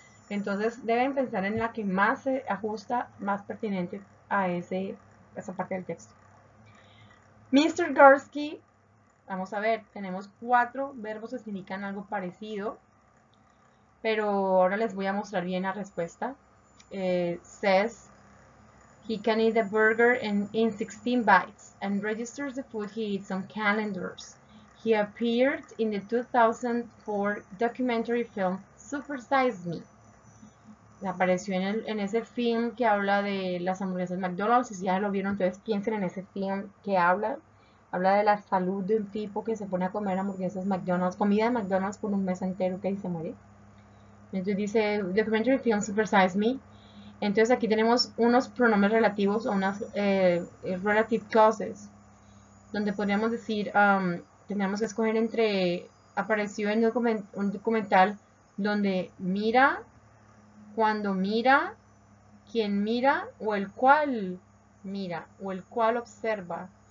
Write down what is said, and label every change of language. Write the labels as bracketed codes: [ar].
[es] Entonces deben pensar en la que más se ajusta, más pertinente a esa parte del texto. Mr. Gursky, vamos a ver, tenemos 4 verbos que significan algo parecido, pero ahora les voy a mostrar bien la respuesta. [en] Says, he can eat a burger in 16 bites and registers the food he eats on calendars. He appeared in the 2004 documentary film Super Size Me. [es] Apareció en ese film que habla de las hamburguesas de McDonald's, y si ya lo vieron, entonces piensen en ese film que habla. Habla de la salud de un tipo que se pone a comer hamburguesas McDonald's, comida de McDonald's por un mes entero, que se muere. Entonces dice, documentary film Super Size Me. Entonces aquí tenemos unos pronombres relativos o unas relative clauses, donde podríamos decir, tenemos que escoger entre, apareció en un documental donde mira, cuando mira, quién mira o el cual mira o el cual observa.